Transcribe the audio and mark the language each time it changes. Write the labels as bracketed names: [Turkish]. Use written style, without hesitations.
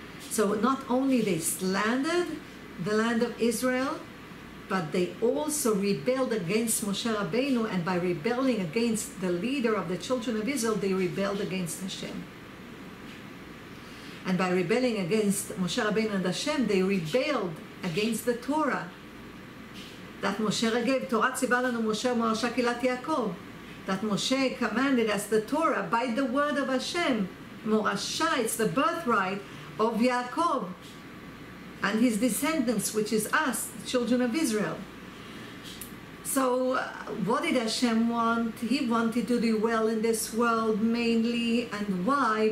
[English] So not only they slandered the land of Israel, but they also rebelled against Moshe Rabbeinu, and by rebelling against the leader of the children of Israel, they rebelled against Hashem. And by rebelling against Moshe Rabbeinu and Hashem, they rebelled against the Torah that Moshe gave. [Hebrew] Torah ציווה לנו משה ומרשה קהילת יעקב. [English] That Moshe commanded us the Torah by the word of Hashem. Morasha, it's the birthright of Yaakov and his descendants, which is us, the children of Israel. So what did Hashem want? He wanted to do well in this world mainly. And why?